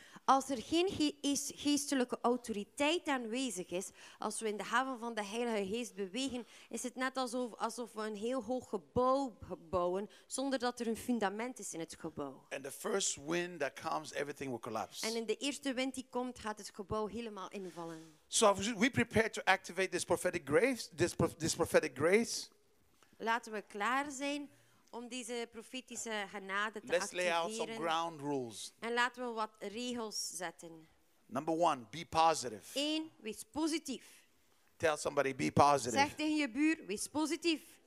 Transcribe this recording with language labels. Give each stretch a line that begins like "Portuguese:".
Dutch: Als er geen geestelijke autoriteit aanwezig is, als we in de haven van de Heilige Geest bewegen, is het net alsof we een heel hoog gebouw bouwen zonder dat er een fundament is in het gebouw.
English: And the first wind that comes, everything will collapse.
Dutch: En in de eerste wind die komt, gaat het gebouw helemaal invallen.
English: So we prepare to activate this prophetic grace, this prophetic grace.
Dutch: Laten we klaar zijn om deze profetische genade te
English: Let's
Dutch: activeren.
English: Lay out some ground rules.
Dutch: En laten we wat regels zetten.
English: Number one, be positive.
Dutch: 1, wees positief.
English: Tell somebody, be positive.
Dutch: Zeg tegen je buur, wees positief.